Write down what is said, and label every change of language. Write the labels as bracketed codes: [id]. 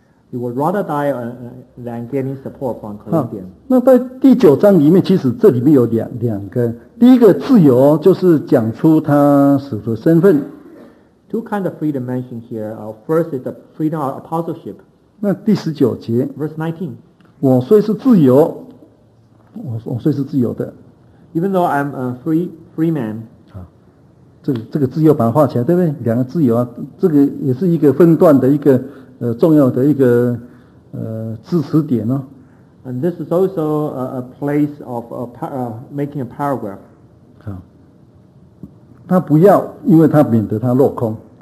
[en] You would rather die than getting support from Corinthians. [zh] 那在第九章里面，其实这里面有两个。第一个自由，就是讲出他使徒的身份。 [en] Two kinds of freedom mentioned here. First is the freedom of apostleship. [zh] 那第十九节 [en] ，verse 19. [zh] 我虽是自由，我虽是自由的。 [en] Even though I'm a free man. [zh] 这个自由把它画起来，对不对？两个自由啊，这个也是一个分段的一个。重要的一个支持点哦。 [en] And this is also a place of making a paragraph. [zh] 好，他不要，因为他免得他落空。